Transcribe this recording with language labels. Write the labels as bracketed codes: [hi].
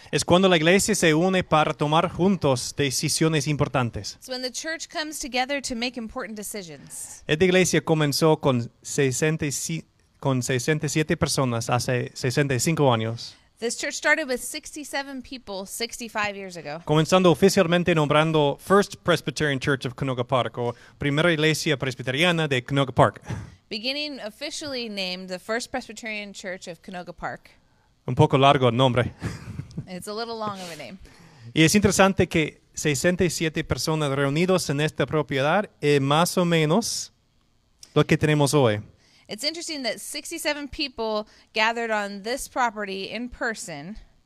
[es] Es cuando la iglesia se une para tomar juntos decisiones importantes. [en] It's when the church comes together to make important decisions. [es] Esta iglesia comenzó con 67 personas hace 65 años. [en] This church started with 67 people 65 years ago. [es] Comenzando oficialmente nombrando First Presbyterian Church of Canoga Park o Primera Iglesia Presbiteriana de Canoga Park. [en] Beginning officially named the First Presbyterian Church of Canoga Park. [es] Un poco largo el nombre. [en] It's a little long of a name. [es] Y es interesante que 67 personas reunidos en esta propiedad es más o menos lo que tenemos hoy. [en] It's interesting that 67 people gathered on this property in person.